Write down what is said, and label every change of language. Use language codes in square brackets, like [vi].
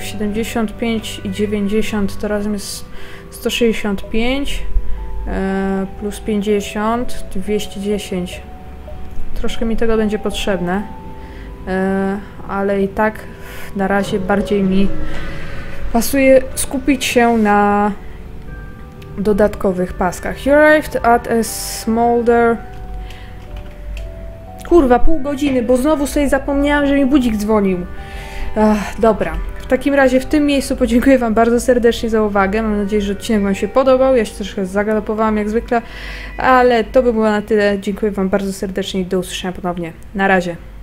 [pl] 75 i 90 to razem jest 165 plus 50, 210. Troszkę mi tego będzie potrzebne, ale i tak na razie bardziej mi pasuje skupić się na dodatkowych paskach. [en] You arrived at a smolder. [pl] Kurwa, pół godziny, bo znowu sobie zapomniałam, że mi budzik dzwonił. Dobra, w takim razie w tym miejscu podziękuję wam bardzo serdecznie za uwagę. Mam nadzieję, że odcinek wam się podobał. Ja się troszkę zagalopowałam jak zwykle, ale to by było na tyle. Dziękuję wam bardzo serdecznie i do usłyszenia ponownie. Na razie.